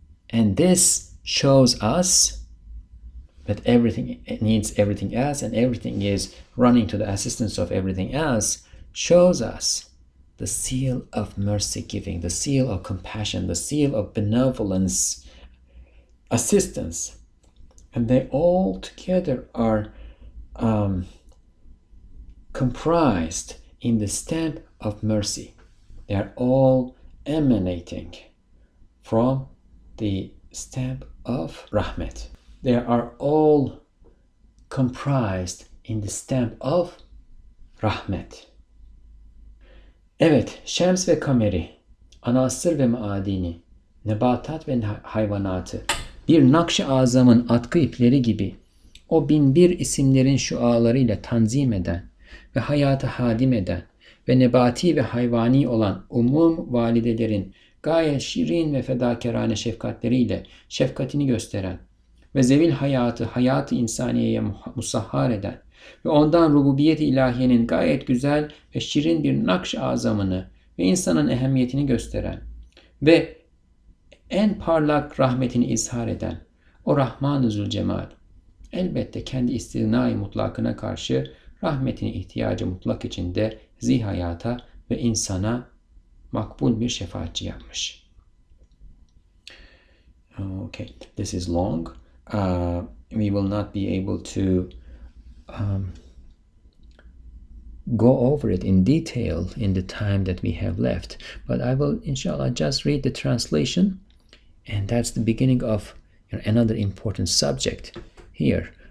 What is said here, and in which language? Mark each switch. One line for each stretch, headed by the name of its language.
English: And this shows us that everything needs everything else, and everything is running to the assistance of everything else, shows us the seal of mercy giving, the seal of compassion, the seal of benevolence, assistance, and they all together are comprised in the stamp of mercy. They are all emanating from the stamp of Rahmat. They are all comprised in the stamp of Rahmat.
Turkish: Evet, Şems ve Kameri, Anasır ve Maadini, Nebatat ve Hayvanatı, bir nakş-ı azamın atkı ipleri gibi o bin bir isimlerin şualarıyla tanzim eden ve hayatı hadim eden ve nebati ve hayvani olan umum validelerin gayet şirin ve fedakarane şefkatleriyle şefkatini gösteren ve zevil hayatı hayat-ı insaniyeye musahhar eden ve ondan rububiyet-i ilahiyenin gayet güzel ve şirin bir nakş-ı azamını ve insanın ehemmiyetini gösteren ve en parlak rahmetini izhar eden o Rahman-ı Zülcemal, elbette kendi istinai mutlakına karşı rahmetine ihtiyacı mutlak içinde zihayata ve insana makbul bir şefaatçi yapmış.
English: Okay, this is long. We will not be able to go over it in detail in the time that we have left. But I will, inshallah, just read the translation. And that's the beginning of another important subject here.